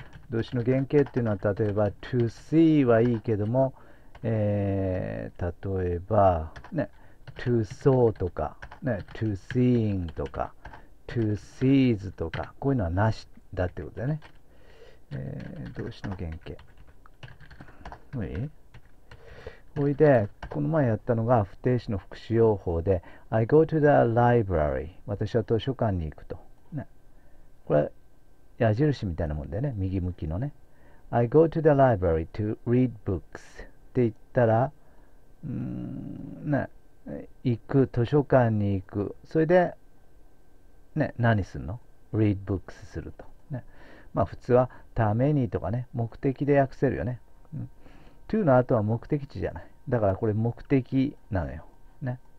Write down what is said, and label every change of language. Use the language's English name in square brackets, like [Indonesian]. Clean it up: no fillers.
[Japanese] 動詞の原型っていうのは例えば to see はいいけども、例えば、ね、to saw とか、ね、to seeing とか to sees とかこういうのはなしだってことだよね。動詞の原型。はい。ほいで、この前やったのが不定詞の副詞用法で、 [English] I go to the library。 [Japanese] 私は図書館に行くと。ね、これ、矢印みたいなもんだよね。右向きのね。 [English] I go to the library to read books。 [Japanese] って言ったら、ね、行く、図書館に行く。それで、ね、何すんの ?read books すると。ね、まあ、普通は、ためにとかね、目的で訳せるよね。 to の後は目的地じゃない。だからこれ目的なのよ。ね。